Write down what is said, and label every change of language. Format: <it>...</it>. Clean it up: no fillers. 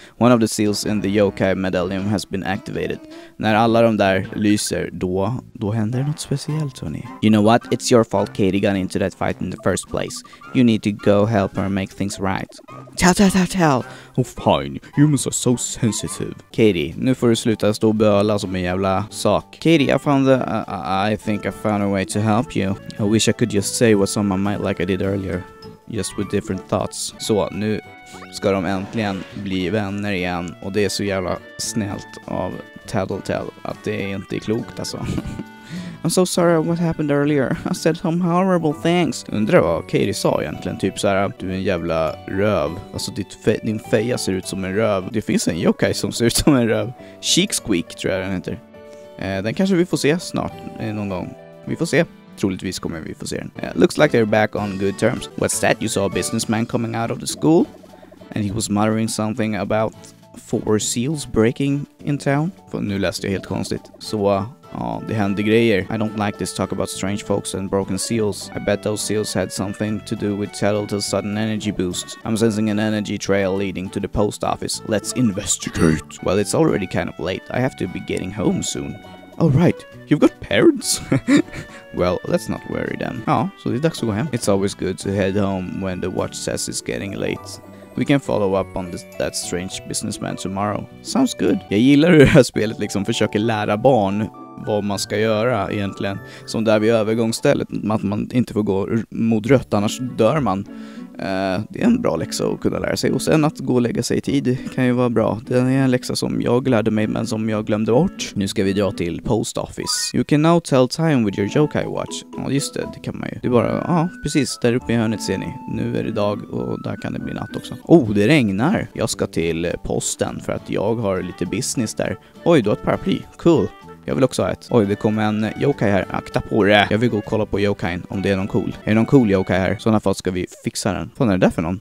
<en>One of the seals in the yo-kaj medallion has been activated.</en> <sv>När alla de där lyser, då händer något speciellt, hörni.</sv> <en>You know what? It's your fault Katie got into that fight in the first place. You need to go help her make things right. Tell. Oh, fine. Humans are so sensitive.</en> <sv>Katie, nu får du sluta stå och böla som en jävla sak.</sv> <en>Katie, I think I found a way to help you. I wish I could just say what's on my mind like I did earlier. Just with different thoughts.</en> <sv>Så, nu ska de äntligen bli vänner igen. Och det är så jävla snällt av Tattletale att det inte är klokt, alltså.</sv> <en>I'm so sorry what happened earlier. I said some horrible things.</en> <sv>Undrar vad Katie sa egentligen. Typ såhär, du är en jävla röv. Alltså din feja ser ut som en röv. Det finns en yokai som ser ut som en röv. Cheek Squeak tror jag den heter. Den kanske vi får se snart någon gång. Vi får se. Troligtvis kommer vi få se den.</sv> <en>Looks like they're back on good terms. What's that? You saw a businessman coming out of the school? And he was muttering something about 4 seals breaking in town?</en> <sv>För nu läste jag helt konstigt. Det händer grejer.</sv> <en>I don't like this talk about strange folks and broken seals. I bet those seals had something to do with Tattletale's sudden energy boost. I'm sensing an energy trail leading to the post office. Let's investigate. Well, it's already kind of late. I have to be getting home soon. Oh, right. You've got parents? Well, let's not worry them.</en> <sv>So det är dags att gå hem.</sv> <en>It's always good to head home when the watch says it's getting late. We can follow up on that strange businessman tomorrow. Sounds good.</en> <sv>Jag gillar hur det här spelet liksom försöker lära barn vad man ska göra egentligen. Som där vid övergångsstället, att man inte får gå mot rött, annars dör man. Det är en bra läxa att kunna lära sig. Och sen att gå och lägga sig i tid kan ju vara bra. Det är en läxa som jag lärde mig men som jag glömde bort. Nu ska vi dra till post office.</sv> <en>You can now tell time with your jo-kaj watch.</en> <sv>Ja, just det, det kan man ju. Det är bara, precis, där uppe i hörnet ser ni. Nu är det dag och där kan det bli natt också. Oh, det regnar. Jag ska till posten för att jag har lite business där. Oj, du har ett paraply, cool. Jag vill också ha ett. Oj, det kommer en yo-kaj här. Akta på det. Jag vill gå och kolla på yo-kajn om det är någon cool. Är det någon cool yo-kaj här? Sådana fall ska vi fixa den. Fan, är det där för någon?</sv>